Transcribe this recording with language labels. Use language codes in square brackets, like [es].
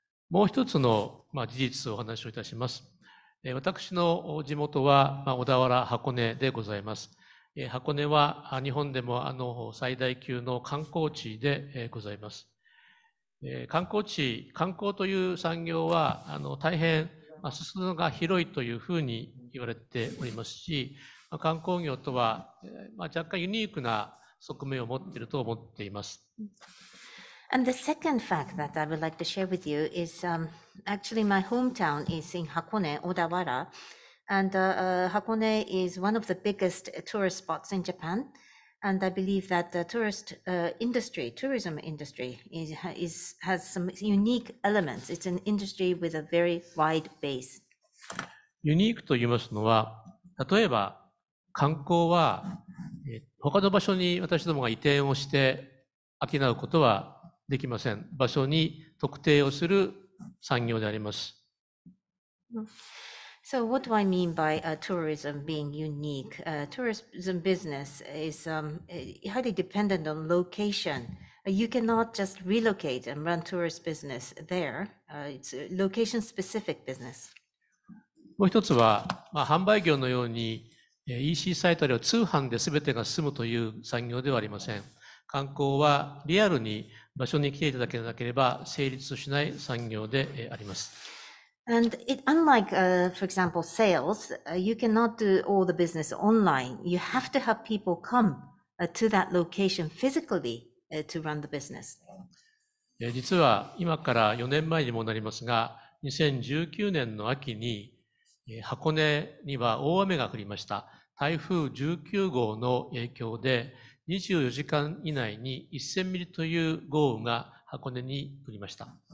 [ja] もう一つの、まあ、事実をお話をいたします。私の地元は、まあ、小田原箱根でございます。箱根は日本でも最大級の観光地でございます。観光地、観光という産業は大変進むのが広いというふうに言われておりますし、観光業とは若干ユニークな側面を持っていると思っています。 [en] And the second fact that I would like to share with you is actually my hometown is in Hakone, Odawara, and Hakone is one of the biggest tourist spots in Japan, and I believe that the tourist industry, tourism industry, has some unique elements. It's an industry with a very wide base. [ja] ユニークと言いますのは、例えば観光は他の場所に私どもが移転をして商うことはできません。場所に特定をする産業であります。 [en] So what do I mean by tourism being unique? Tourism business is highly dependent on location. You cannot just relocate and run tourist business there. It's location specific business. [ja] もう一つは、まあ、販売業のように EC サイトあるいは通販で全てが進むという産業ではありません。観光はリアルに場所に来ていただけなければ成立しない産業であります。 [en] And it, unlike, for example, sales, you cannot do all the business online. You have to have people come to that location physically to run the business. [ja] 実は今から4年前にもなりますが、2019年の秋に箱根には大雨が降りました。台風19号の影響で24時間以内に1000ミリという豪雨が箱根に降りました。